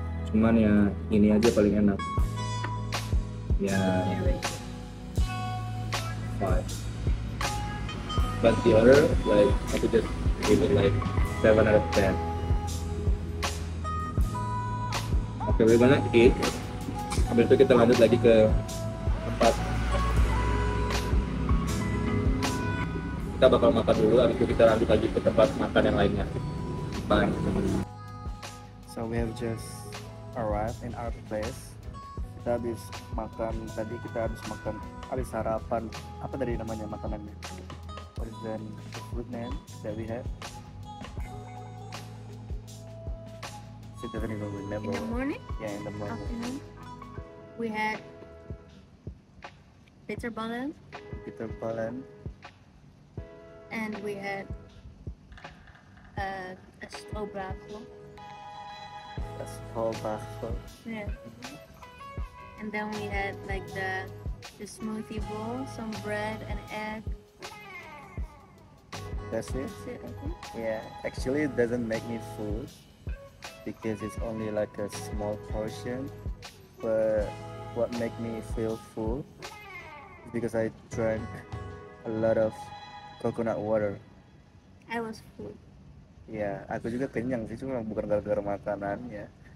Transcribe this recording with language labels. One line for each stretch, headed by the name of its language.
Indonesian: Cuman ya ini aja paling enak ya, 5.
English: But the other like I could just give it like 7 out of 10. Okay, we're gonna eat.
Indonesian: Habis itu kita lanjut lagi ke tempat. Kita bakal makan dulu, habis itu kita lanjut lagi ke tempat makan yang lainnya.
English: Bye. So we have just arrive in our place.
Indonesian: Kita habis makan tadi, kita habis makan, habis sarapan. Apa tadi namanya makanannya?
English: What is the food name that we had? She doesn't even remember. In the morning? Yeah, in the morning. Afternoon. We had bitterballen. Bitterballen. And we had a stroopwafel. That's called Bachel. Yeah. Mm-hmm. And then we had like the smoothie bowl, some bread and egg. That's it? That's it, I think. Yeah. Actually, it doesn't make me full because it's only like a small portion. But what makes me feel full is because I drank a lot of coconut water. I was full.
Indonesian: Ya, aku juga kenyang sih, cuma bukan gara-gara makanannya.